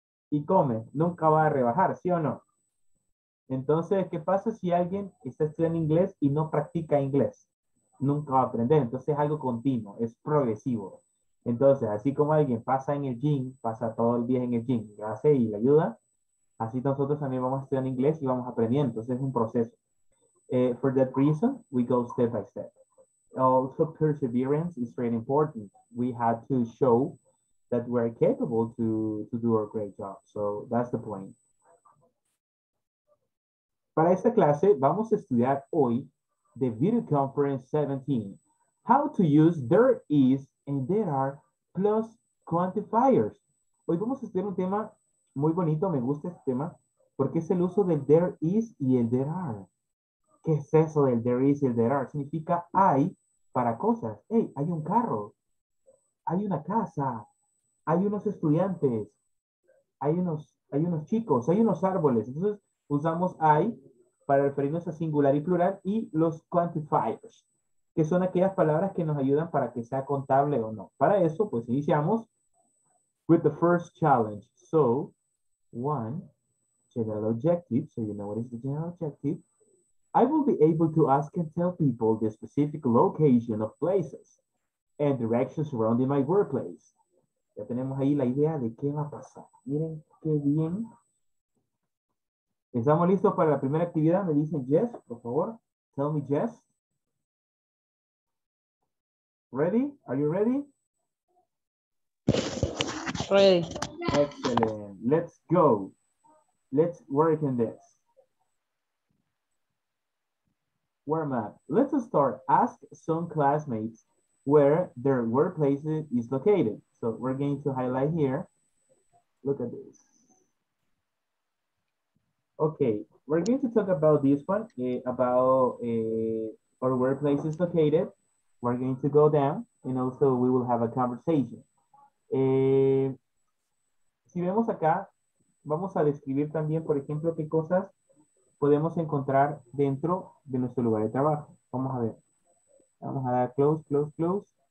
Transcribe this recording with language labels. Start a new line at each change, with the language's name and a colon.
Spanish: Y come, nunca va a rebajar, ¿sí o no? Entonces, ¿qué pasa si alguien está estudiando inglés y no practica inglés? Nunca va a aprender, entonces es algo continuo, es progresivo. Entonces, así como alguien pasa en el gym, pasa todo el día en el gym, lo hace y le ayuda, así nosotros también vamos a estudiar inglés y vamos aprendiendo. Entonces es un proceso.
English: For that reason, we go step by step. Also, perseverance is very important. We have to show that we're capable to do a great job. So that's the point.
Spanish: Para esta clase, vamos a estudiar hoy
English: the video conference 17. How to use there is and there are plus quantifiers.
Spanish: Hoy vamos a estudiar un tema muy bonito, me gusta este tema, porque es el uso del there is y el there are. ¿Qué es eso del there is y el there are? Significa hay para cosas. Hey, hay un carro, hay una casa, hay unos estudiantes, hay unos chicos, hay unos árboles. Entonces usamos hay para referirnos a singular y plural, y los quantifiers, que son aquellas palabras que nos ayudan para que sea contable o no. Para eso, pues iniciamos
English: with the first challenge. So, one, general objective, so you know what is the general objective. I will be able to ask and tell people the specific location of places and directions surrounding my workplace.
Spanish: Ya tenemos ahí la idea de qué va a pasar. Miren qué bien. ¿Estamos listos para la primera actividad? Me dicen yes, por favor.
English: Tell me yes. Ready? Are you ready? Ready. Excellent. Let's go. Let's work in this. Warm up. Let's start. Ask some classmates where their workplace is located. So we're going to highlight here. Look at this. Okay, we're going to talk about this one, about our workplace is located. We're going to go down, and also we will have a conversation.
Spanish: Si vemos acá, vamos a describir también, por ejemplo, qué cosas podemos encontrar dentro de nuestro lugar de trabajo. Vamos a ver. Vamos a dar close.